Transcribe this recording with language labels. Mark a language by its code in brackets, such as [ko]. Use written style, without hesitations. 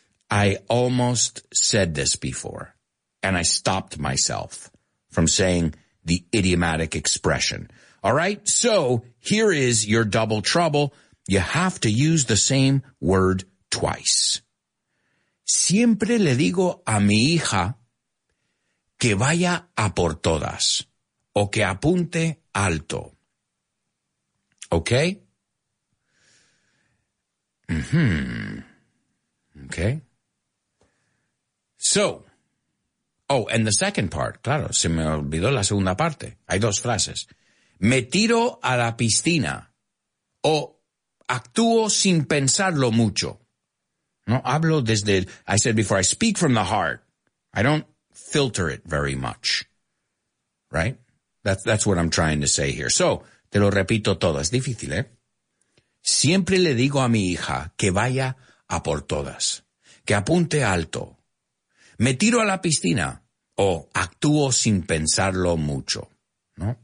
[en] I almost said this before, and I stopped myself from saying the idiomatic expression. All right, so here is your double trouble. You have to use the same word twice. [es] Siempre le digo a mi hija que vaya a por todas o que apunte alto. [en] Okay? Okay. So, oh, and the second part, [es] claro, se me olvidó la segunda parte. Hay dos frases. Me tiro a la piscina o actúo sin pensarlo mucho. No, hablo desde, [en] I said before, I speak from the heart. I don't filter it very much, right? That's what I'm trying to say here. So, [es] te lo repito todo. Es difícil, ¿eh? Siempre le digo a mi hija que vaya a por todas, que apunte alto. Me tiro a la piscina o actúo sin pensarlo mucho, ¿no?